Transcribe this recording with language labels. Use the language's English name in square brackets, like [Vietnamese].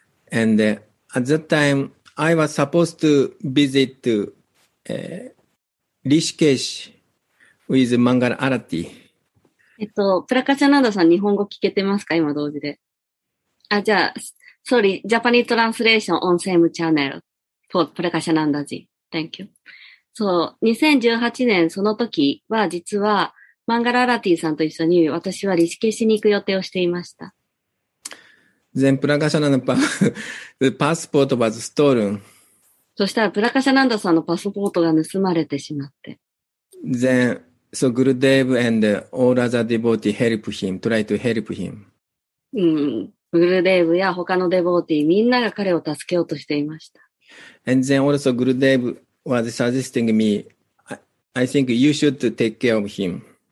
[English] And at that time, I was supposed to visit Rishikesh with Mangal Arati. [Japanese] プラカチャナダさん、日本語聞けてますか今、同時で。あ、じゃあ、 [English] sorry, Japanese translation on same channel for プラカチャナダジ。Thank you. [Japanese] そう、2018年その時は、実は、マンガララティさんと一緒に私はリシケシに行く予定をしていました。 [English] Then プラカチャナダパ、the passport was stolen. [Japanese] そしたら、プラカチャナダさんのパスポートが盗まれてしまって。 [English] Then,So Gurudev and all other devotees help him, try to help him. [Japanese] Gurudev や他の devotees みんなが彼を助けようとしていました。 [English] And then also Gurudev was suggesting me, I think you should take care of him.